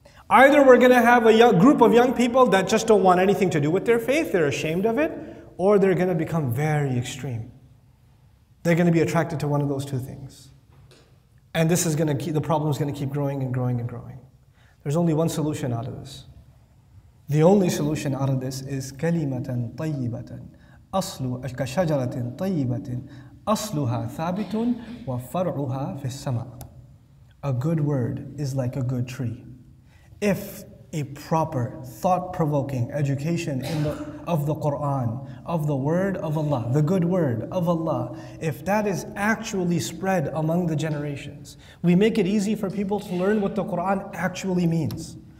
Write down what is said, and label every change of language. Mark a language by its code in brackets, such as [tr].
[en] Either we're going to have a group of young people that just don't want anything to do with their faith, they're ashamed of it, or they're going to become very extreme. They're going to be attracted to one of those two things. And this is going to keep, the problem is going to keep growing and growing and growing. There's only one solution out of this. The only solution out of this is kalimatan tayyibatan. [ar] أصل كشجرة طيبة أصلها ثابت وفرعها في السماء. [en] A good word is like a good tree. If a proper, thought-provoking education of the Quran, of the word of Allah, the good word of Allah, if that is actually spread among the generations, we make it easy for people to learn what the Quran actually means.